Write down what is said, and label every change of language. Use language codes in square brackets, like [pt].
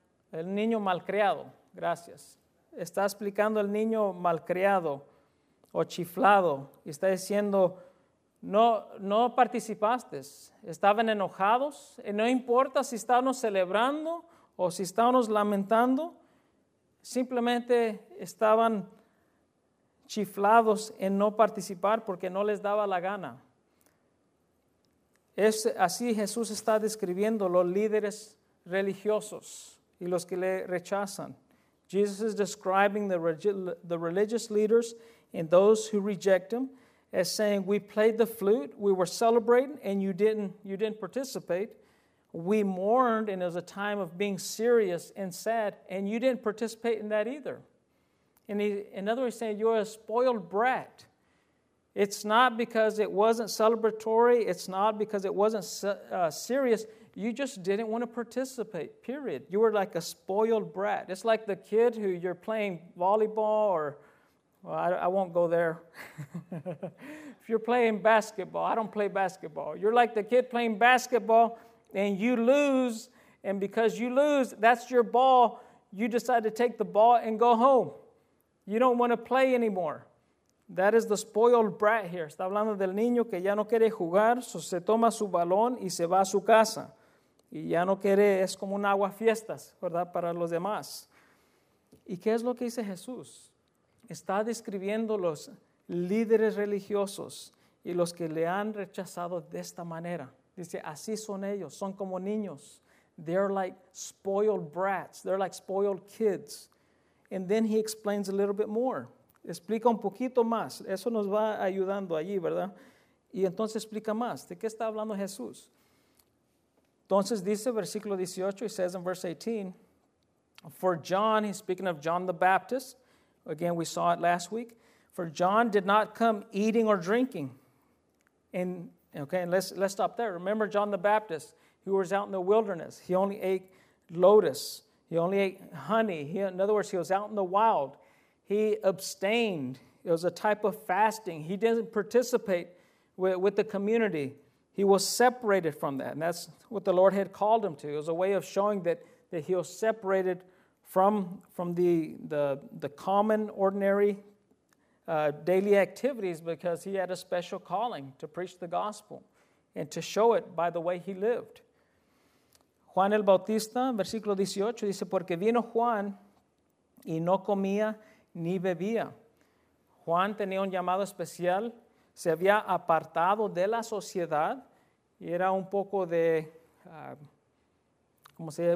[es] El niño malcriado, gracias. Está explicando el niño malcriado o chiflado y está diciendo, no participaste, estaban enojados, y no importa si estábamos celebrando o si estábamos lamentando, simplemente estaban chiflados en no participar porque no les daba la gana. Es así Jesús está describiendo los líderes religiosos y los que le rechazan. [en] Jesus is describing the religious leaders and those who reject him as saying, we played the flute, we were celebrating, and you didn't participate. We mourned, and it was a time of being serious and sad, and you didn't participate in that either. And in other words, saying, you're a spoiled brat. It's not because it wasn't celebratory. It's not because it wasn't serious. You just didn't want to participate, period. You were like a spoiled brat. It's like the kid who you're playing volleyball or, well, I won't go there. If you're playing basketball, I don't play basketball. You're like the kid playing basketball and you lose. And because you lose, that's your ball. You decide to take the ball and go home. You don't want to play anymore. That is the spoiled brat here. [es] Está hablando del niño que ya no quiere jugar, [en] so [es] se toma su balón y se va a su casa. Y ya no quiere, es como un agua fiestas, ¿verdad? Para los demás. ¿Y qué es lo que dice Jesús? Está describiendo los líderes religiosos y los que le han rechazado de esta manera. Dice, así son ellos, son como niños. [en] They're like spoiled brats. They're like spoiled kids. And then he explains a little bit more. [es] Explica un poquito más. Eso nos va ayudando allí, ¿verdad? Y entonces explica más. ¿De qué está hablando Jesús? Entonces dice, versículo 18, [en] he says in verse 18, for John, he's speaking of John the Baptist. Again, we saw it last week. For John did not come eating or drinking. And let's stop there. Remember John the Baptist, who was out in the wilderness. He only ate lotus. He only ate honey. In other words, he was out in the wild. He abstained. It was a type of fasting. He didn't participate with the community. He was separated from that. And that's what the Lord had called him to. It was a way of showing that he was separated from the common, ordinary daily activities because he had a special calling to preach the gospel and to show it by the way he lived. [es] Juan el Bautista, versículo 18, dice, porque vino Juan y no comía ni bebía. Juan tenía un llamado especial. Se había apartado de la sociedad y era un poco de, ¿cómo se dice?